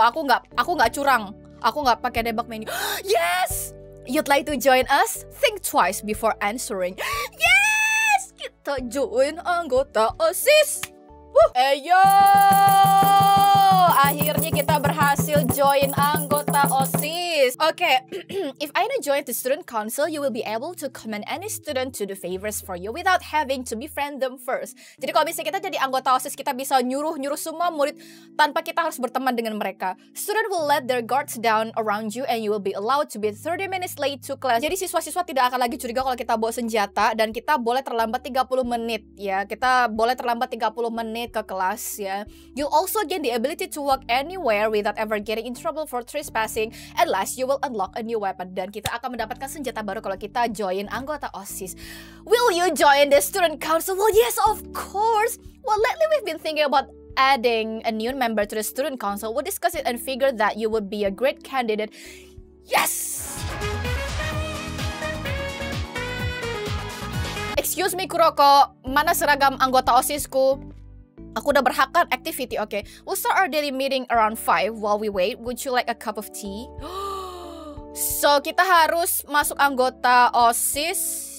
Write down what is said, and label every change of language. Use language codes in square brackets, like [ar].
[id] Aku enggak curang. Aku enggak pakai debug menu. [en] Yes! You'd like to join us? Think twice before answering. Yes! [id] Kita join anggota OSIS! Woo! Ayo! akhirnya kita berhasil join anggota OSIS. [en] Okay, if Aina joins the student council, you will be able to command any student to do favors for you without having to befriend them first. [id] Jadi kalau misalnya kita jadi anggota OSIS, kita bisa nyuruh-nyuruh semua murid tanpa kita harus berteman dengan mereka. [en] Student will let their guards down around you and you will be allowed to be 30 minutes late to class. [id] Jadi siswa-siswa tidak akan lagi curiga kalau kita bawa senjata dan kita boleh terlambat 30 menit ya. Kita boleh terlambat 30 menit ke kelas ya. [en] You also gain the ability to walk anywhere without ever getting in trouble for trespassing. At last, you will unlock a new weapon. [id] Dan kita akan mendapatkan senjata baru kalau kita join anggota OSIS. [en] Will you join the student council? Well, yes, of course. Well, lately we've been thinking about adding a new member to the student council. We'll discuss it and figure that you would be a great candidate. Yes! Excuse me, [id] Kuroko. Mana seragam anggota OSISku? Aku udah berhak kan activity, okay. [en] We'll start our daily meeting around 5 while we wait. Would you like a cup of tea? [id] So, kita harus masuk anggota OSIS.